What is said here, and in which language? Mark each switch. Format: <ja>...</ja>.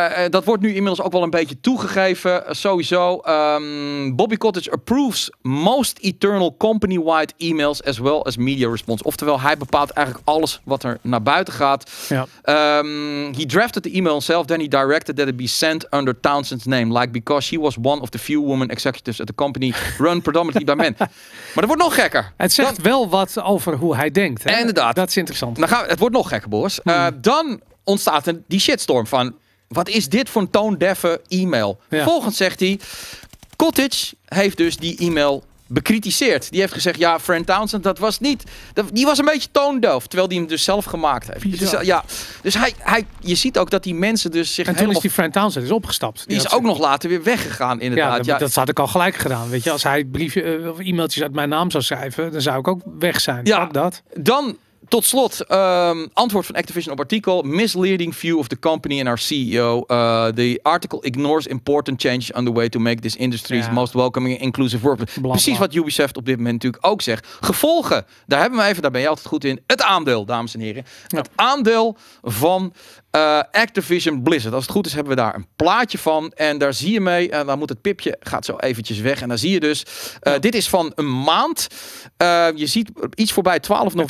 <nl>Dat wordt nu inmiddels ook wel een beetje toegegeven. Sowieso.</nl> <en>Bobby Kotick approves most eternal company-wide emails as well as media response.</en> <nl>Oftewel, hij bepaalt eigenlijk alles wat er naar buiten gaat. Ja.</nl> <en>He drafted the email himself, then he directed that it be sent under Townsend's name. Like, because she was one of the few women executives at the company run predominantly by men.</en> <nl>Maar dat wordt nog gekker. Het zegt wel wat over hoe hij denkt. Hè? Inderdaad. Dat is interessant. Het wordt nog gekker, Boris. Dan ontstaat die shitstorm van, wat is dit voor een toondeffe e-mail? Ja. Volgens zegt hij, Cottage heeft dus die e-mail bekritiseerd. Die heeft gezegd, ja, Fran Townsend, dat was niet, die was een beetje toondoof, terwijl die hem dus zelf gemaakt heeft. Bizar. Ja, dus hij, je ziet ook dat die mensen dus zich en toen is die Fran Townsend is opgestapt. Die is ook nog later weer weggegaan, inderdaad. Ja, dat had ik al gelijk gedaan, weet je. Als hij briefje of e-mailtjes uit mijn naam zou schrijven, dan zou ik ook weg zijn. Ja, ook dat. Dan tot slot, antwoord van Activision op artikel.</nl> <en>Misleading view of the company and our CEO. The article ignores important changes on the way to make this industry's most welcoming and inclusive workplace. Blah,</en> <nl>precies blah. Wat Ubisoft op dit moment natuurlijk ook zegt. Gevolgen, daar hebben we even, daar ben je altijd goed in. Het aandeel, dames en heren. Ja. Het aandeel van Activision Blizzard. Als het goed is, hebben we daar een plaatje van. En daar zie je mee, dan moet het pipje, gaat zo eventjes weg. En dan zie je dus, dit is van een maand. Je ziet iets voorbij 12 november.</nl>